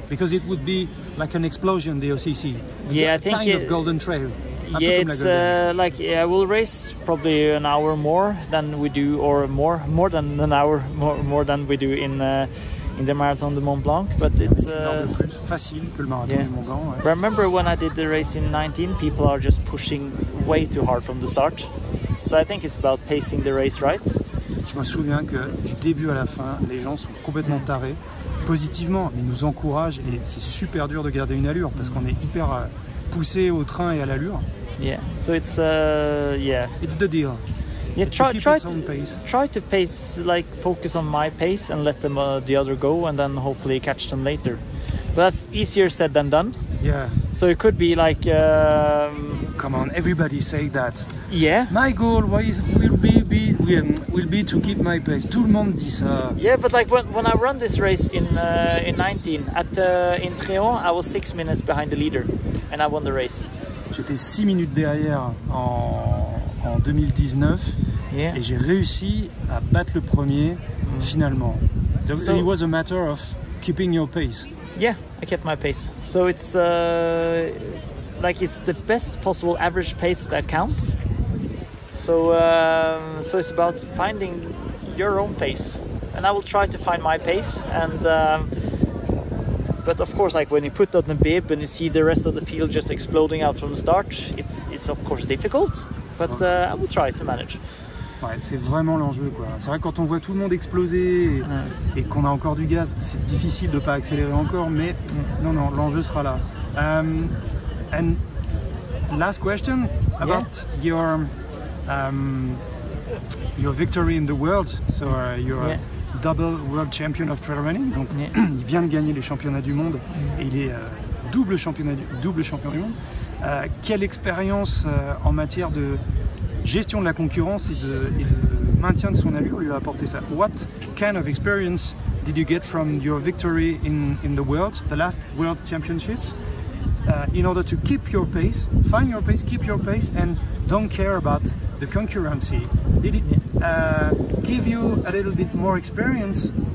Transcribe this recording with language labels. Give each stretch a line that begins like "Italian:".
English: Because it would be like an explosion, the OCC, kind of Golden Trail. Yeah, it's like I will race probably an hour more than we do, or more than an hour, more than we do in the Marathon du Mont-Blanc, but it's
French: plus facile que le Marathon du Mont-Blanc, ouais.
English: Remember when I did the race in 19, people are just pushing way too hard from the start. So I think it's about pacing the race right.
French: Je me souviens que du début à la fin, les gens sont complètement tarés. Positivement, ils nous encouragent et c'est super dur de garder une allure parce qu'on est hyper poussé au train et à l'allure.
English: Yeah, so it's yeah. It's the deal. Yeah, try to pace, like focus on my pace and let them the other go and then hopefully catch them later. But that's easier said than done. Yeah. So it could be like. Come on, everybody say that. Yeah. My goal will be to keep my pace.
French: Tout le monde dit ça.
English: Yeah, but like when I run this race in 19 at in Tiens, I was 6 minutes behind the leader, and I won the race.
French: J'étais 6 minutes derrière en 2019,
English: yeah.
French: Et j'ai réussi à battre le premier finalement.
English: So it was a matter of keeping your pace. Yeah, I kept my pace. So it's like it's the best possible average pace that counts. So so it's about finding your own pace, and I will try to find my pace. And but of course, like when you put on the bib and you see the rest of the field just exploding out from the start, it's of course difficult. But I will try to manage.
French: Ouais, c'est vraiment l'enjeu, quoi. C'est vrai, quand on voit tout le monde exploser et qu'on a encore du gaz, c'est difficile de pas accélérer encore, mais non, l'enjeu sera là.
English: And last question about your victory in the world. So you're a double world champion of trail running.
French: Donc il vient de gagner les championnats du monde et il est double champion du monde. Quelle expérience en matière de gestion de la concurrence et de maintien de son allure lui a apporté ça?
English: What kind of experience did you get from your victory in the world, the last world championships, in order to keep your pace, find your pace, keep your pace, and don't care about the concurrency? Did it give you a little bit more experience?